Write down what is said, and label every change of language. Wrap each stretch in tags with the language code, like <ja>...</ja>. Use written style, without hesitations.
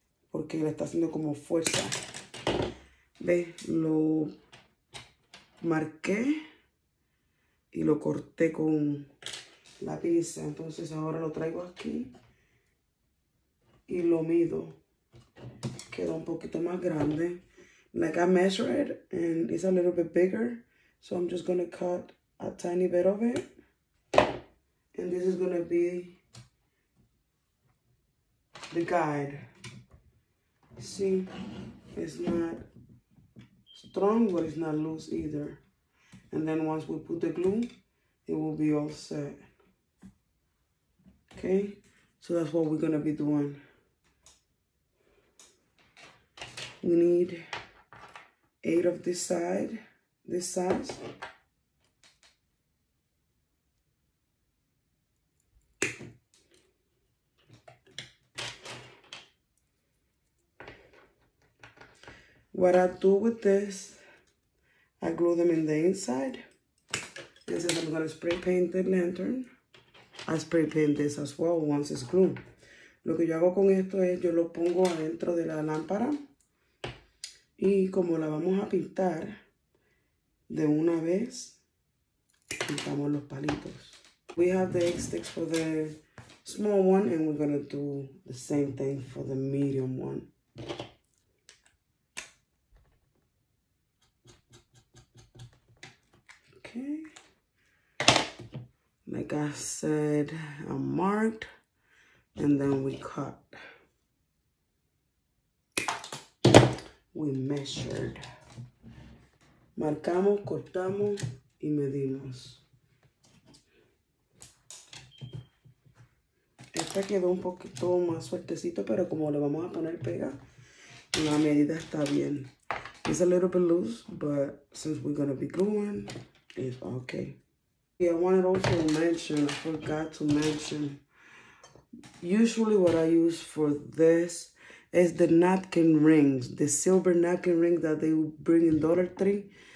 <es>Porque le está haciendo como fuerza. ¿Ve? Lo marqué y lo corté con la pinza. Entonces ahora lo traigo aquí y lo mido. Quedó un poquito más grande.</es> <en>Like I measure it and it's a little bit bigger. So I'm just gonna cut a tiny bit of it. And this is gonna be the guide. See, it's not strong, but it's not loose either. And then once we put the glue, it will be all set. Okay, so that's what we're gonna be doing. We need 8 of this side, this size. What I do with this, I glue them in the inside. This is, I'm gonna spray paint the lantern. I spray paint this as well once it's glued.</en> <es>Lo que yo hago con esto es, yo lo pongo adentro de la lámpara. Y como la vamos a pintar, de una vez, pintamos los palitos.</es> <en>We have the egg sticks for the small one, and we're gonna do the same thing for the medium one. Like I said, I marked, and then we cut. We measured.</en> <es>Marcamos, cortamos, y medimos. Esta quedó un poquito más suertecito, pero como le vamos a poner pega, la medida está bien.</es> <en>It's a little bit loose, but since we're gonna be gluing, it's okay. Yeah, I wanted also to mention, I forgot to mention, usually what I use for this is the napkin rings, the silver napkin ring that they bring in Dollar Tree.</en>